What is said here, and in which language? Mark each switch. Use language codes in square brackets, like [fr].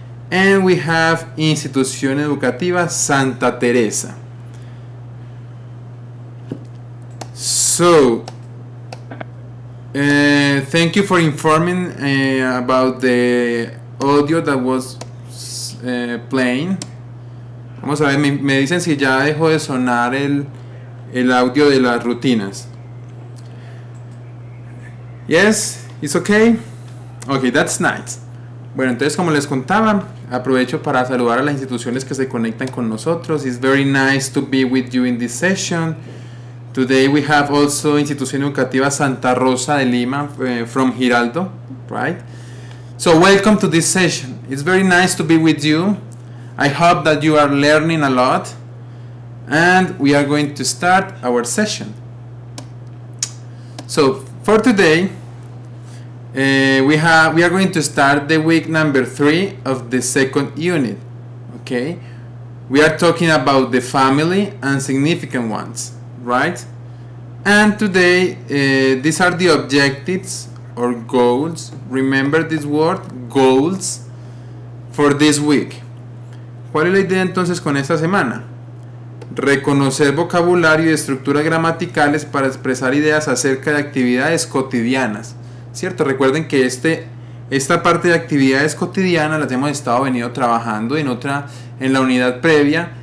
[en] And we have Institución Educativa Santa Teresa. So, thank you for informing about the audio that was playing. [es] Vamos a ver, me dicen si ya dejó de sonar el audio de las rutinas. [en] Yes, it's okay. Okay, that's nice. [es] Bueno, entonces como les contaba, aprovecho para saludar a las instituciones que se conectan con nosotros. [en] It's very nice to be with you in this session. Today we have also Institución Educativa Santa Rosa de Lima from Giraldo, right? So welcome to this session. It's very nice to be with you. I hope that you are learning a lot. And we are going to start our session. So for today, we are going to start the week number 3 of the second unit, okay? We are talking about the family and significant ones, right? And today, these are the objectives or goals. Remember this word, goals, for this week. [es] ¿Cuál es la idea entonces con esta semana? Reconocer vocabulario y estructuras gramaticales para expresar ideas acerca de actividades cotidianas. ¿Cierto? Recuerden que esta parte de actividades cotidianas las hemos estado venido trabajando en la unidad previa.